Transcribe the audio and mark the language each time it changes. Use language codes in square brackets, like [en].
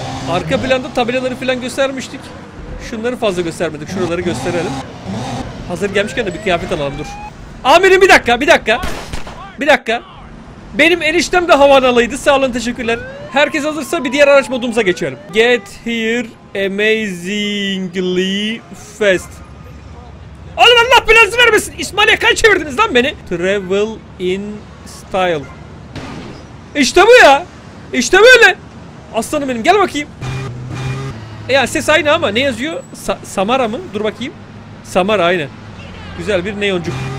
[tr] Arka planda tabelaları falan göstermiştik. Şunları fazla göstermedik. Şuraları gösterelim. Hazır gelmişken de bir kıyafet alalım dur. Amirim bir dakika. Benim eniştem de havanalıydı. Sağ olun teşekkürler. Herkes hazırsa bir diğer araç modumuza geçiyorum. [en] Get here amazingly fast. [tr] Oğlum Allah belanızı vermesin. İsmail'e kaç çevirdiniz lan beni? [en] Travel in style. [tr] İşte bu ya. İşte böyle. Aslanım benim gel bakayım. Yani ses aynı ama ne yazıyor? Samara mı? Dur bakayım. Samara aynı. Güzel bir neoncuk.